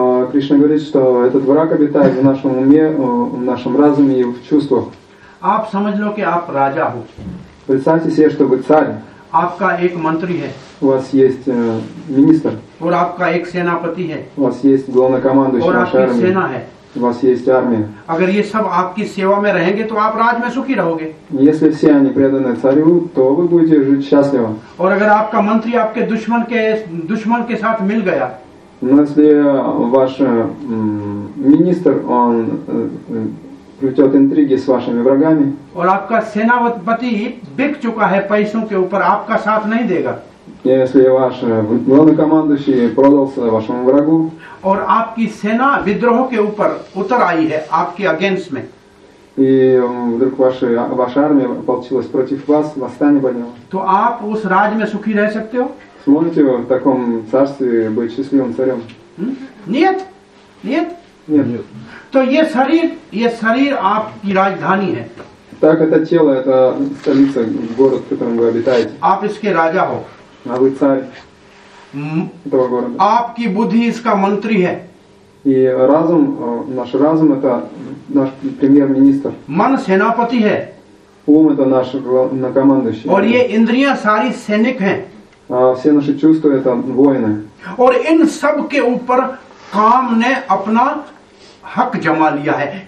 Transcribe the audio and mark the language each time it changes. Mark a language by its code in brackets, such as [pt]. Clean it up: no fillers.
[ru] Кришна говорит, что этот враг обитает в нашем уме, в нашем разуме и в чувствах. [hi] आप समझ लो कि आप राजा हो। [ru] Представьте себе, что вы царь. [hi] आपका एक मंत्री है. [ru] У вас есть министр. [hi] और आपका एक सेनापति है. [ru] У вас есть главнокомандующий нашей армией. [hi] और आपकी सेना है. [ru] У вас есть армия. [hi] अगर ये सब आपकी सेवा में रहेंगे, तो आप राज में सुखी रहोगे. [ru] Если все они преданы царю, то вы будете жить счастливо. [hi] और अगर आपका मंत्री आपके दुश्मन के साथ मिल गया. [ru] Но если ваш министр он плетет интриги с вашими врагами. [hi] और आपका सेनापति बिक चुका है पैसों के ऊपर आपका साथ नहीं देगा. [ru] Если ваш главнокомандующий продался вашему врагу. [hi] और आपकी सेना विद्रोहों के ऊपर उतर आई है आपके अगेंस्ट में. [ru] И вдруг ваша армия ополчилась против вас, восстание подняла. [hi] तो आप उस राज में सुखी रह सकते हो? [ru] Сможете в таком царстве быть счастливым царем? Нет, нет. Нет. [hi] То ये शरीर आपकी राजधानी है. [ru] Так это тело, это столица, город, в котором вы обитаете. [hi] आप इसके राजा हो. [ru] А вы царь этого города. [hi] आपकी बुद्धि इसका मंत्री है. [ru] И разум, наш разум это наш премьер-министр. [hi] मन सेनापति है. [ru] Ум это наш главнокомандующий. [hi] और ये इंद्रियां सारी सैनिक हैं. [ru] А все наши чувства это воины. [hi] और इन सब के ऊपर काम ने अपना हक जमा लिया है.